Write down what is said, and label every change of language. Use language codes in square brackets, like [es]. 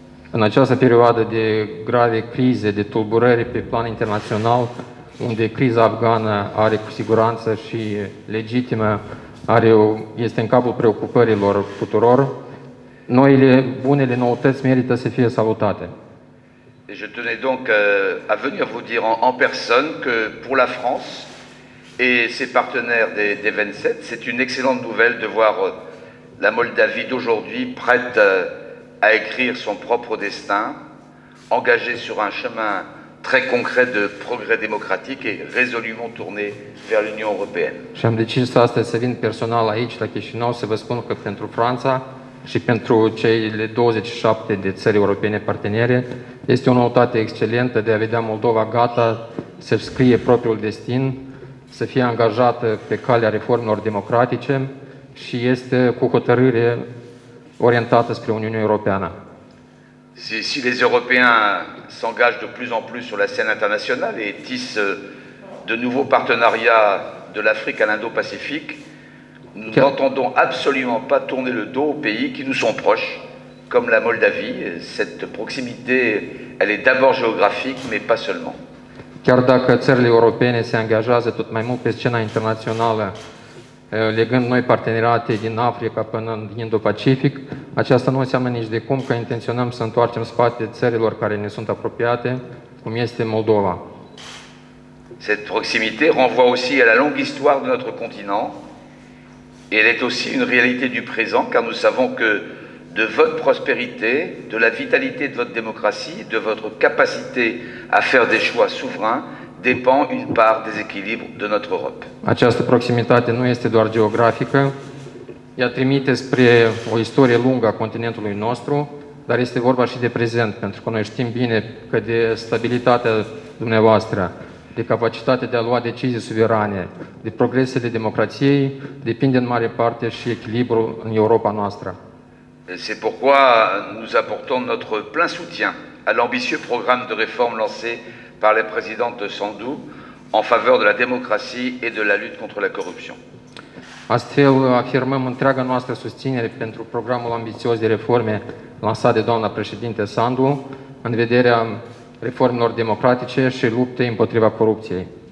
[ro] În această perioadă de grave crize, de tulburări pe plan internațional, unde criza afgană are cu siguranță și legitimă, este în capul preocupărilor tuturor, noile bunele noutăți merită să fie salutate. [fr] Et je tenais donc à venir vous dire en personne que pour la France et ses partenaires des 27, c'est une excellente nouvelle de voir la Moldavie d'aujourd'hui prête à écrire son propre destin, engagée sur un chemin très concret de progrès démocratique et résolument tourné vers l'Union européenne. [ro] Și am decis astăzi să vin personal aici la Chișinău să vă spun că pentru Franța și pentru cele 27 de țări europene partenere, este o noutate excelentă de a vedea Moldova gata să scrie propriul destin, să fie angajată pe calea reformelor democratice și este cu hotărâre orientată spre Uniunea Europeană. [fr] Si les Européens s'engagent de plus en plus sur la scène internationale et tissent de nouveaux partenariats de l'Afrique à l'Indo-Pacifique, nous n'entendons absolument pas tourner le dos aux pays qui nous sont proches, comme la Moldavie. Cette proximité, elle est d'abord géographique, mais pas seulement. [ro] Chiar dacă țările europene se angajează tot mai mult pe scena internațională, legând noi parteneriate din Africa până în Indo-Pacific, aceasta nu înseamnă nici de cum că intenționăm să întoarcem spate țărilor care ne sunt apropiate, cum este Moldova. [fr] Cette proximité renvoie aussi à la longue histoire de notre continent. Elle est aussi une réalité du présent, car nous savons que de votre prospérité, de la vitalité de votre démocratie, de votre capacité à faire des choix souverains, dépend une part des équilibres de notre Europe. [ro] Această proximitate nu este doar geografică, ea trimite spre o istorie lungă a continentului nostru, dar este vorba și de prezent, pentru că noi știm bine că de stabilitatea dumneavoastră, de capacitatea de a lua decizii suverane, de progresele democrației, depinde în mare parte și echilibrul în Europa noastră. [fr] C'est pourquoi nous apportons notre plein soutien à l'ambitieux programme de réforme lancé par la présidente Sandu en faveur de la démocratie et de la lutte contre la corruption. [ro] Astfel afirmăm întreaga noastră susținere pentru programul ambițios de reforme lansat de doamna președinte Sandu în vederea reformelor democratice și luptei împotriva corupției.